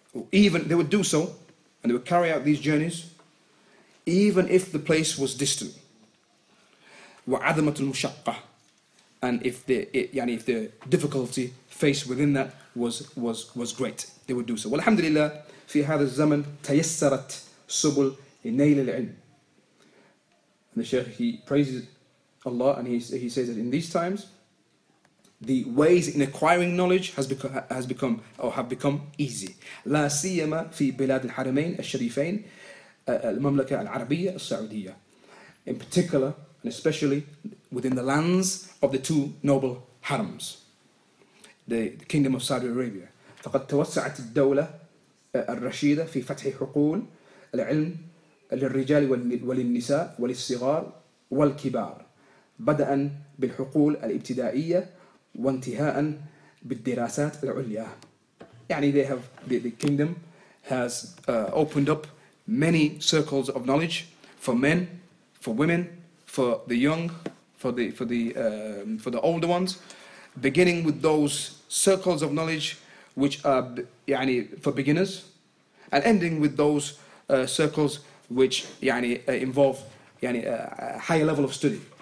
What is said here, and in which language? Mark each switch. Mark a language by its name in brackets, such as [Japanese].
[English] Even they would do so, and they would carry out these journeys, even if the place was distant. [Arabic] وَعَذُمَتْ الْمُشَقَّةِ [English] And if the difficulty faced within that was great, they would do so. [Arabic] Walhamdulillah, في هذا الزمن تيسرت سبل نيل العلم. [English] And the Shaykh, he praises Allah, and he says that in these times, the ways in acquiring knowledge has become easy. [Arabic] لا سيما في بلاد الحرمين الشريفين المملكه العربيه السعوديه. [English] In particular and especially within the lands of the two noble harams, the kingdom of Saudi Arabia. [Arabic] فقد توسعت الدوله الرشيده في فتح حقول العلم للرجال وللنساء وللصغار والكبار بدءا بالحقول الابتدائيه وانتهاءا بالدراسات العليا. [English] يعني they have the kingdom has opened up many circles of knowledge for men, for women, for the young, for the older ones, beginning with those circles of knowledge which are يعني for beginners, and ending with those circles which يعني involve يعني a higher level of study.